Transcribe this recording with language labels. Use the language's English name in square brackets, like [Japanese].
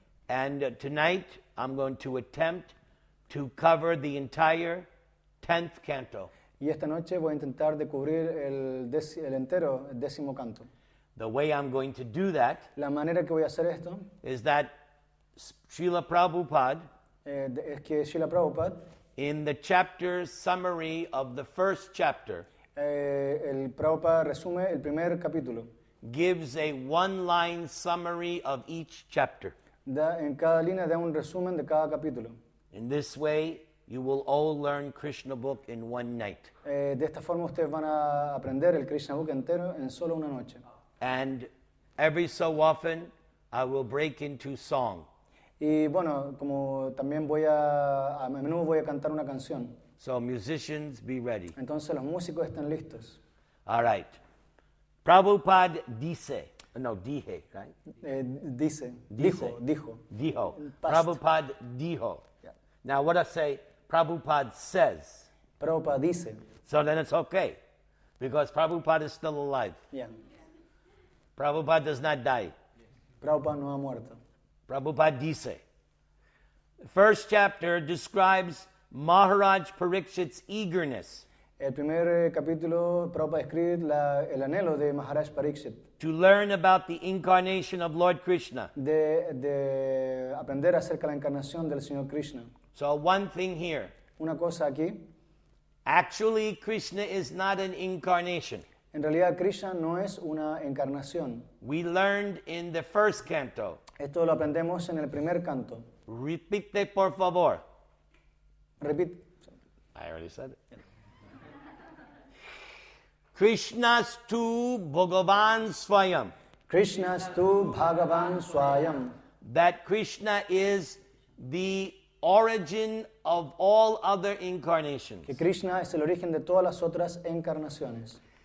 [English] And tonight I'm going to attempt to cover the entire 10th canto. [Spanish] Y esta noche voy a intentar de cubrir el décimo canto. [English] The way I'm going to do that, [Spanish] la manera que voy a hacer esto, [English] is that Srila Prabhupada, [Spanish] es que Srila Prabhupada, [English] in the chapter summary of the first chapter, [Spanish] el Prabhupada resume el primer capítulo, [English] gives a one-line summary of each chapter. [Spanish] Da, en cada línea da un resumen de cada capítulo. [English] In this way, you will all learn Krishna book in one night. [Spanish] De esta forma ustedes van a aprender el Krishna book entero en solo una noche. [English] And every so often I will break into song. [Spanish] Y bueno, como también voy a menudo voy a cantar una canción. [English] So musicians be ready. [Spanish] Entonces los músicos estén listos. [English] All right. [Spanish] Prabhupada dice. No, dije, right? Dijo. Prabhupada dijo. [English] Now what I say, Prabhupada says. [Spanish] Prabhupada dice. [English] So then it's okay, because Prabhupada is still alive. Yeah. Prabhupada does not die. [Spanish] Prabhupada no ha muerto. Prabhupada dice. [English] First chapter describes Maharaj Parikshit's eagerness. [Spanish] El primer capítulo, Prabhupada escribe el anhelo de Maharaj Parikshit. [English] To learn about the incarnation of Lord Krishna. [Spanish] De aprender acerca de la encarnación del Señor Krishna. [English] So one thing here. [Spanish] Una cosa aquí. [English] Actually, Krishna is not an incarnation. [Spanish] En realidad, Krishna no es una encarnación. [English] We learned in the first canto. [Spanish] Esto lo aprendemos en el primer canto. Repite, por favor. Repite. [English] I already said it. [Sanskrit] Krishna's tu Bhagavan Swayam. Krishna's tu Bhagavan Swayam. [English] That Krishna is the origin of all other incarnations. [Spanish] Que Krishna es el origen de todas las otras encarnaciones.